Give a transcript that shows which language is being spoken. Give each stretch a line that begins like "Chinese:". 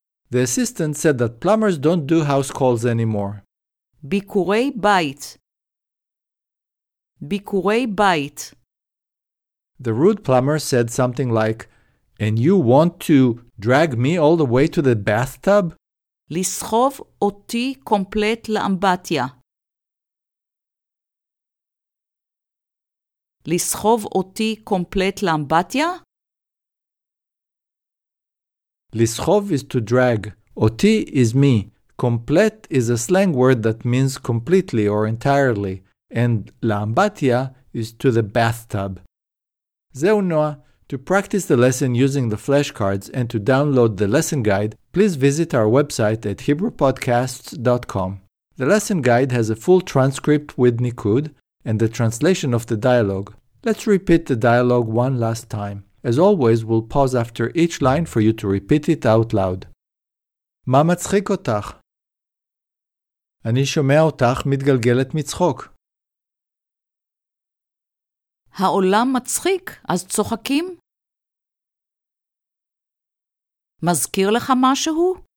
English: The assistant said that plumbers don't do house calls anymore.
Hebrew: ביקורי בית. ביקורי בית.
English: The rude plumber said something like, "And you want to drag me all the way to the bathtub?"
Hebrew: לסחוב אותי קומפלט לאמבטיה. לסחוב אותי קומפלט לאמבטיה?
English: לסחוב is to drag. אותי is me. Complete is a slang word that means completely or entirely. And לאמבטיה is to the bathtub.
Hebrew: זהו נועה.
English: To practice the lesson using the flashcards and to download the lesson guide, please visit our website at HebrewPodcasts.com. The lesson guide has a full transcript with Nikud and the translation of the dialogue. Let's repeat the dialogue one last time. As always, we'll pause after each line for you to repeat it out loud.
Hebrew: מה מצחיק אותך? אני שומע אותך מתגלגלת מצחוק. העולם מצחיק, אז צוחקים? מזכיר לך משהו?